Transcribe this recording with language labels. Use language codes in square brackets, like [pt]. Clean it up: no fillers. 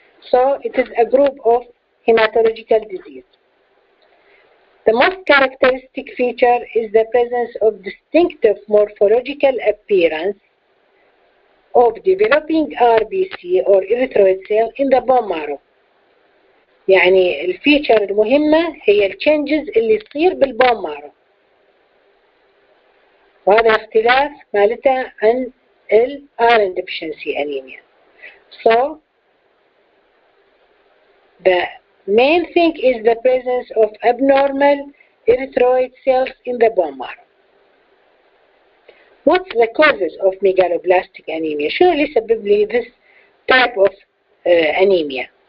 [en] So it is a group of hematological disease. The most characteristic feature is the presence of distinctive morphological appearance of developing RBC or erythroid cell in the bone marrow. [ar] يعني الفيتشر المهمة هي الشينجز اللي تصير بالبون مارو. وهذا اختلاف مالته عن ال iron deficiency anemia. [en] So the main thing is the presence of abnormal erythroid cells in the bone marrow. What's the causes of megaloblastic anemia? [ar] شنو اللي سبب لي [en] this type of anemia?